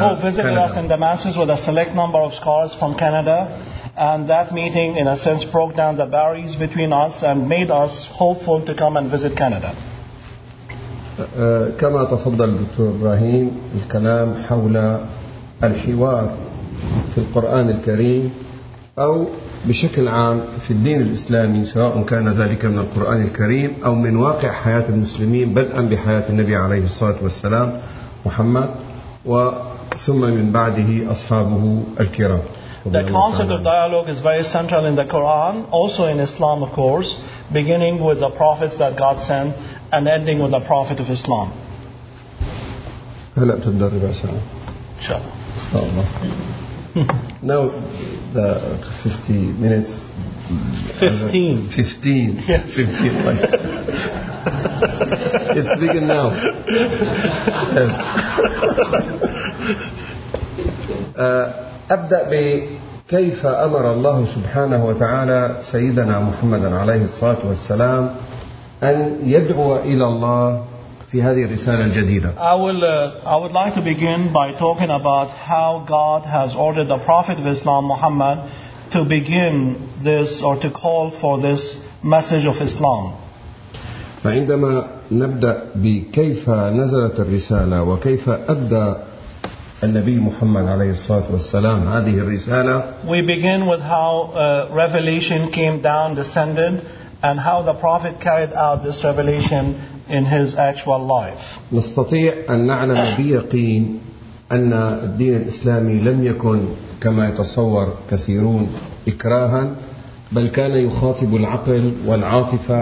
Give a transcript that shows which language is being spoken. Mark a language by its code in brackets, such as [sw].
[en] who visited us in Damascus with a select number of scholars from Canada and that meeting in a sense broke down the barriers between us and made us hopeful to come and visit Canada. [ar] كما تفضل الدكتور إبراهيم الكلام حول الحوار في القرآن الكريم أو بشكل عام في الدين الإسلامي سواء كان ذلك من القرآن الكريم أو من واقع حياة المسلمين بدءا بحياة النبي عليه الصلاة والسلام محمد وثم من بعده أصحابه الكرام. [en] The concept of dialogue is very central in the Quran, also in Islam of course, beginning with the prophets that God sent and ending with the prophet of Islam. [ar] هلأ تبدأ ربع ساعة. [en] Sure. Now the 50 minutes. 15. Yes. 15. It's begin now. Yes. [ar] أبدأ بكيف أمر الله سبحانه وتعالى سيدنا محمد عليه الصلاة والسلام أن يدعو إلى الله في هذه الرسالة الجديدة. [en] I would like to begin by talking about how God has ordered the Prophet of Islam Muhammad to begin this or to call for this message of Islam. [ar] فعندما نبدأ بكيف نزلت الرسالة وكيف أدى النبي محمد عليه الصلاة والسلام هذه الرسالة. [en] We begin with how revelation came down, descended, and how the Prophet carried out this revelation in his actual life. [ar] نستطيع أن نعلم بيقين أن الدين الإسلامي لم يكن كما يتصور كثيرون إكراها بل كان يخاطب العقل والعاطفة.